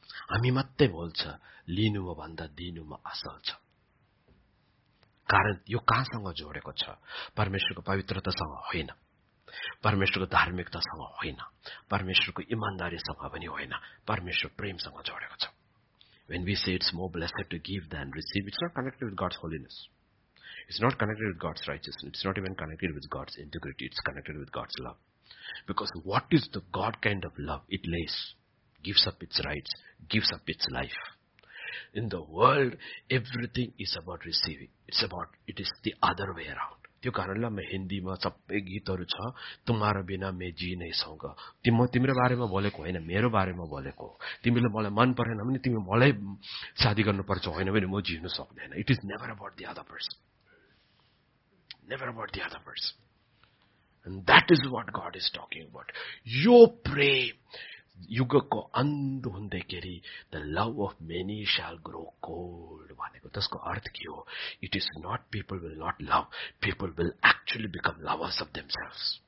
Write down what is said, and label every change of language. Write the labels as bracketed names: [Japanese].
[Nepali] हामी मात्रै बोल्छ लिनुमा भन्दा दिनुमा असल छ, कारण यो कहाँसँग जोडेको छ? परमेश्वरको पवित्रतासँग होइन, परमेश्वरको धार्मिकतासँग होइन, परमेश्वरको इमान्दारीसँग पनि होइन, परमेश्वर प्रेमसँग जोडेको छ। [English] When we say it's more blessed to give than receive, it's not connected with God's holiness. It's not connected with God's righteousness. It's not even connected with God's integrity. It's connected with God's love. Because what is the God kind of love? It lays, gives up its rights, gives up its life. In the world, everything is about receiving. It's about, it is the other way around. [Nepali] त्यो कारणले म हिन्दीमा सबै गीतहरू छ, [Hindi] तुम्हारो बिना मे जी नै [Nepali] सँग। तिम्रो बारेमा बोलेको होइन, मेरो बारेमा बोलेको। तिमीले मलाई मन परेन भने तिमी मलाई शादी गर्नुपर्छ, होइन भने म जिउन सक्दैन। [English] It is never about the other person, never about the other person. That is what God is talking about. [Nepali] यो प्रेम युगको अन्त हुँदैखेरि [English] the love of many shall grow cold [Nepali] भनेको, त्यसको अर्थ के हो? [English] It is not people will not love, people will actually become lovers of themselves.